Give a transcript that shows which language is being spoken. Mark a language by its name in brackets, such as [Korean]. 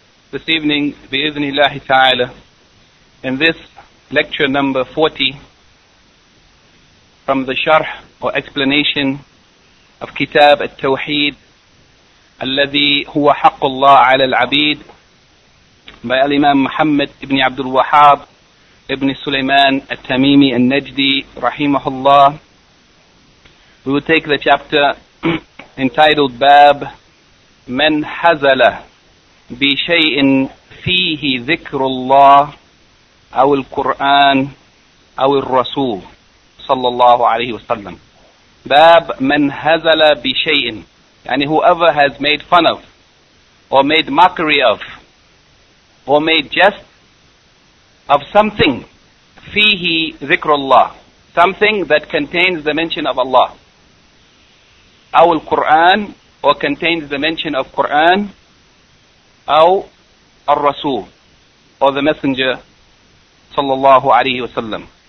[English] This evening, bi-idhnillahi ta'ala, in this lecture number 40, from the sharh or explanation of Kitab al-Tawheed, [Arabic] الذي هو حق الله على العبيد [English] by Imam Muhammad ibn Abdul Wahhab ibn Sulaiman al-Tamimi al-Najdi rahimahullah. We will take the chapter entitled Bab [Arabic] من حزل بشيء فيه ذكر الله أو القرآن أو الرسول صلى الله عليه وسلم. [English] Bab [Arabic] من حزل بشيء, [English] and whoever has made fun of, or made mockery of, or made jest of something, [Arabic] fihi dhikrullah, [English] something that contains the mention of Allah, [Arabic] aw al-Qur'an, [English] or contains the mention of Qur'an, [Arabic] aw al-Rasul, [English] or the Messenger, sallallahu alayhi wa sallam.